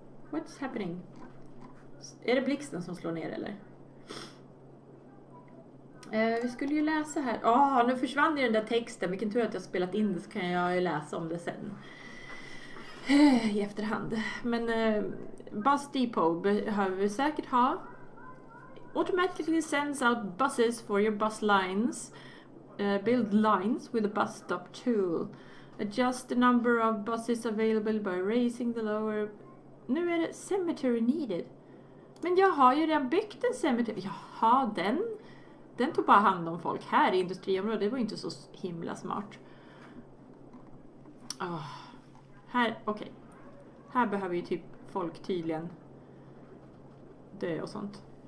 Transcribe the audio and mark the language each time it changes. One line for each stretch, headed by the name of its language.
English: What's happening?
Swedish: Är det blixten som slår ner eller? Vi skulle ju läsa här. Åh, nu försvann ju den där texten. Vilken tur att jag spelat in det, så kan jag ju läsa om det sen. I efterhand. Men Bus Depot behöver vi säkert ha.
English: Automatically sends out buses for your bus lines. build lines with a bus stop tool. Adjust the number of buses available by raising the lower...
Swedish: Nu är det cemetery needed. Men jag har ju redan byggt en cemetery. Jaha, den? Den tog bara hand om folk här i industriområdet. Det var inte så himla smart. Oh. Här, okej. Okay. Här behöver ju typ folk tydligen dö och sånt.